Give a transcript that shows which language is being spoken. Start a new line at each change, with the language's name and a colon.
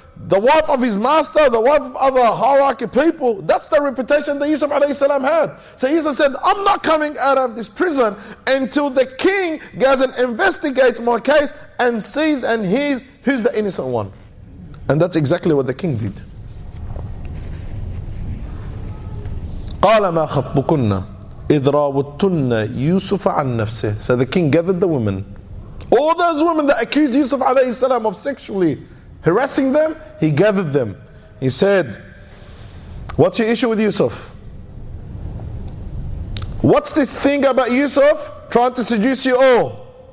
English: The wife of his master, the wife of other hierarchy people. That's the reputation that Yusuf alayhi salam had. So Yusuf said, I'm not coming out of this prison until the king goes and investigates my case and sees and hears who's the innocent one. And that's exactly what the king did.
Arabic: قَالَ مَا خَطْبُكُنَّ إِذْ رَاوَدْتُنَّ يُوسُفَ عَنْ نَفْسِهِ.
English: So the king gathered the women. All those women that accused Yusuf alayhi salam of sexually harassing them, he gathered them. He said, what's your issue with Yusuf? What's this thing about Yusuf trying to seduce you all?